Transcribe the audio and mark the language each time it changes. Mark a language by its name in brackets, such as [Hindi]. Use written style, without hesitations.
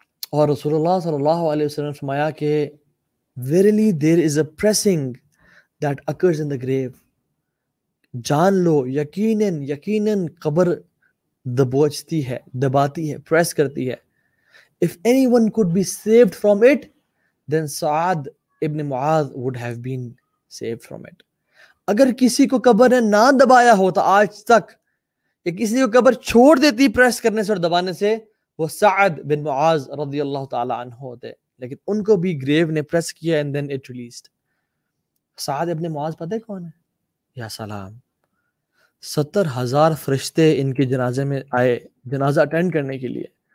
[Urdu] اور رسول اللہ صلی اللہ علیہ وسلم نے فرمایا کہ [English] verily there is a pressing that occurs in the grave. [Urdu] جان لو یقیناً یقیناً قبر دبوچتی ہے, دباتی ہے, پریس کرتی ہے. [English] If anyone could be saved from it, then Saad ibn Muadh would have been saved from it. [Urdu] اگر کسی کو قبر نے نہ دبایا ہوتا آج تک, یا کسی کو قبر چھوڑ دیتی پریس کرنے سے اور دبانے سے, وہ سعد بن معاذ رضی اللہ تعالی عنہ ہوتے. لیکن ان کو بھی گریو نے پریس کیا [English] and then it released. [Urdu] سعد ابن معاذ پتہ کون ہے؟ یا سلام, 70,000 فرشتے ان کے جنازے میں آئے جنازہ اٹینڈ کرنے کے لیے.